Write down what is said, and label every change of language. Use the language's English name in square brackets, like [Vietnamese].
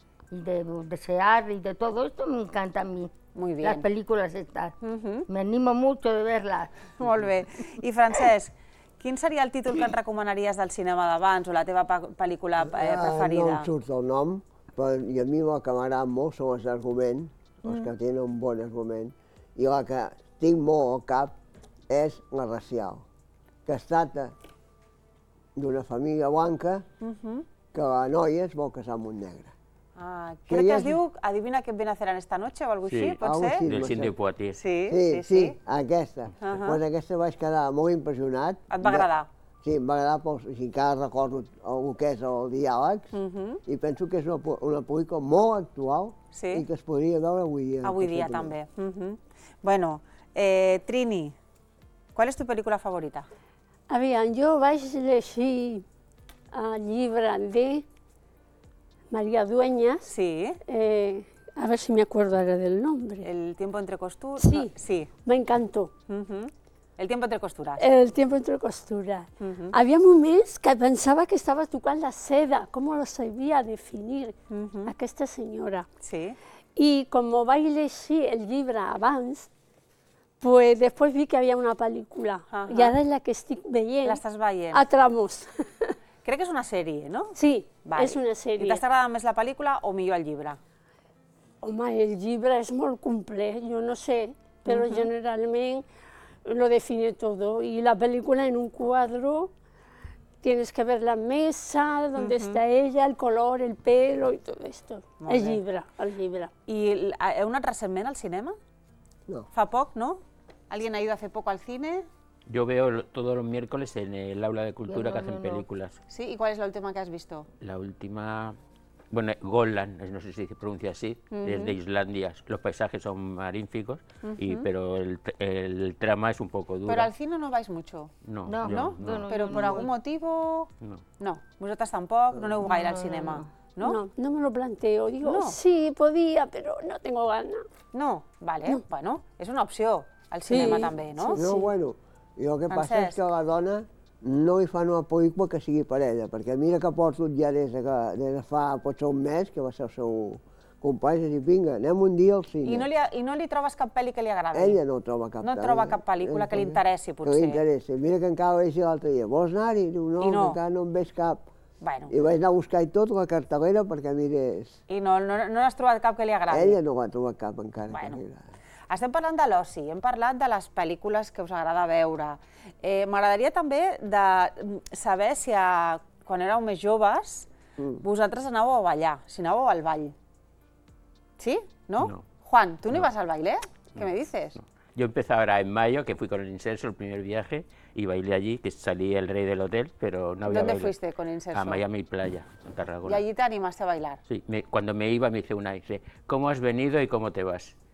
[Spanish] De desear y de todo esto me encanta a mí. Muy bien. Las películas estas. Me animo mucho de verlas. [Catalan] Molt bé. I Francesc, quin seria el títol que et recomanaries del cinema d'abans o la teva pel·lícula preferida? No em surt el nom, però a mi el que m'agrada molt són els arguments, els que tenen un bon argument, i la que tinc molt al cap és la racial, que es tracta d'una família blanca que la noia es vol casar amb un negre. Ah, crec que es diu Adivina què et ven a fer en esta noche o alguna cosa així, pot ser? Sí, del Cindy Poitier. Sí, aquesta. Doncs aquesta vaig quedar molt impressionat. Et va agradar? Sí, em va agradar, però encara recordo el que és el diàleg, i penso que és una pel·lícula molt actual i que es podria veure avui dia. Avui dia també. [Spanish] Bueno, Trini, ¿cuál es tu película favorita? [Catalan] Aviam, jo vaig llegir el llibre de Maria Dueñas. Sí. [Spanish] A ver si me acuerdo [Catalan] ara [Spanish] del nombre. El tiempo entre costuras. Sí, no, sí. Me encantó. El tiempo entre costuras. El tiempo entre costuras. Había [Catalan] moments que pensava que estava tocant la seda, com lo sabia definir aquesta senyora. Sí. I com vaig llegir el llibre abans, [Spanish] pues después vi que había una película y ahora es la que estoy [Catalan] veient. [Spanish] La estás [Catalan] veient. [Spanish] A tramos. [Catalan] Crec que és una sèrie, no? Sí, és una sèrie. I t'està agradant més la pel·lícula o millor el llibre? Home, el llibre és molt complet, jo no sé, però generalment [Spanish] lo define todo. Y la película en un cuadro, tienes que ver la mesa, donde está ella, el color, el pelo y todo esto. [Catalan] El llibre, el llibre. I heu anat recentment al cinema? No. Fa poc, no? [Spanish] ¿Alguien ha ido hace poco al cine? Yo veo todos los miércoles en el aula de cultura que hacen películas. Sí, ¿y cuál es la última que has visto? La última... Bueno, Gotland, no sé si se pronuncia así, es de Islandia. Los paisajes son magníficos, pero el trama es un poco duro. ¿Pero al cine no vais mucho? No. ¿No? No. ¿Pero por algún motivo? No. No. ¿Vosotras tampoco? No, no voy a ir al cinema. ¿No? No, no me lo planteo. Digo, sí, podía, pero no tengo ganas. No, vale. No. Bueno, es una opción al cinema también, ¿no? Sí. No, bueno, lo que pasa es que la dona... [Catalan] No hi fan una pel·lícula que sigui per ella, perquè mira que porto ja des de fa potser un mes, que va ser el seu company, i dic, vinga, anem un dia al cine. I no li trobes cap pel·li que li agradi? Ella no troba cap. No troba cap pel·lícula que li interessi, potser. Que li interessi. Mira que encara vaig dir l'altre dia, vols anar-hi? I diu, no, que encara no en veig cap. Bueno. I vaig anar a buscar-hi tot la cartellera perquè mirés. I no has trobat cap que li agradi? Ella no ho ha trobat cap encara que li agradi. Estem parlant de l'oci, hem parlat de les pel·lícules que us agrada veure. M'agradaria també de saber si quan éreu més joves vosaltres anàveu a ballar, si anàveu al ball. Sí? No? No. [Spanish] Juan, tu no vas al baile? ¿Qué me dices? Yo empecé ahora en mayo, que fui con el Incenso, el primer viaje, y bailé allí, que salí el rey del hotel, pero no había ¿Dónde fuiste con Incenso? A Miami Playa, en Tarragona. ¿Y allí te animaste a bailar? Sí, cuando me iba me hice una, dice, ¿cómo has venido y cómo te vas?